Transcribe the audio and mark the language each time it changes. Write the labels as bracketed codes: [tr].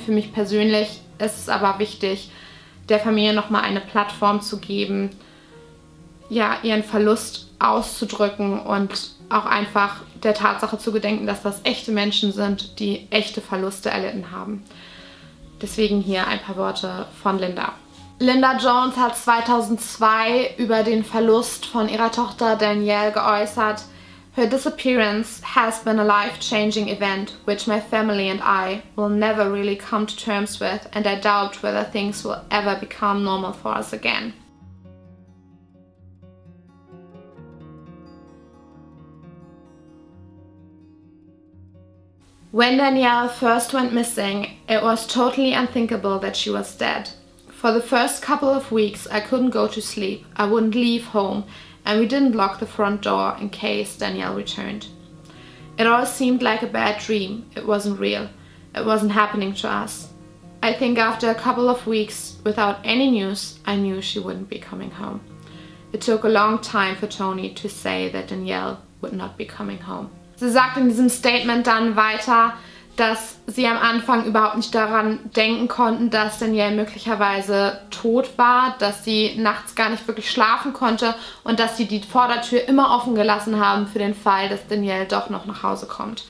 [de] Für mich persönlich ist es aber wichtig, der Familie nochmal eine Plattform zu geben, ja, ihren Verlust auszudrücken und auch einfach der Tatsache zu gedenken, dass das echte Menschen sind, die echte Verluste erlitten haben. Deswegen hier ein paar Worte von Linda. Linda Jones hat 2002 über den Verlust von ihrer Tochter Danielle geäußert: [en] "Her disappearance has been a life-changing event, which my family and I will never really come to terms with, and I doubt whether things will ever become normal for us again." "When Danielle first went missing, it was totally unthinkable that she was dead. For the first couple of weeks, I couldn't go to sleep. I wouldn't leave home, and we didn't lock the front door in case Danielle returned. It all seemed like a bad dream. It wasn't real. It wasn't happening to us. I think after a couple of weeks without any news, I knew she wouldn't be coming home. It took a long time for Tony to say that Danielle would not be coming home. [de] Sie sagt in diesem Statement dann weiter, dass sie am Anfang überhaupt nicht daran denken konnten, dass Danielle möglicherweise tot war, dass sie nachts gar nicht wirklich schlafen konnte und dass sie die Vordertür immer offen gelassen haben für den Fall, dass Danielle doch noch nach Hause kommt.